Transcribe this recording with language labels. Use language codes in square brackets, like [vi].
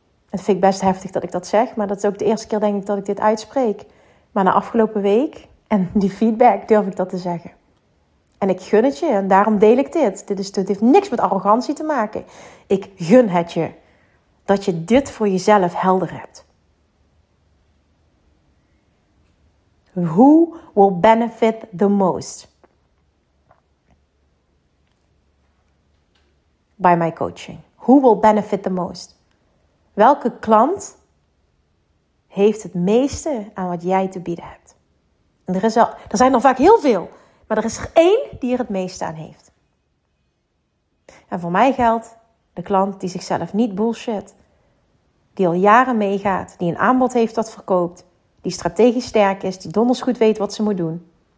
[nl] Dat vind ik best heftig dat ik dat zeg, maar dat is ook de eerste keer denk ik dat ik dit uitspreek. Maar na afgelopen week en die feedback durf ik dat te zeggen. En ik gun het je en daarom deel ik dit. Dit heeft niks met arrogantie te maken. Ik gun het je dat je dit voor jezelf helder hebt. [en] Who will benefit the most? By my coaching. Who will benefit the most? [nl] Welke klant heeft het meeste aan wat jij te bieden hebt? En er zijn er vaak heel veel, maar er is er één die er het meeste aan heeft. En voor mij geldt de klant die zichzelf niet bullshit, die al jaren meegaat, die een aanbod heeft dat verkoopt, die strategisch sterk is, die donders goed weet wat ze moet doen.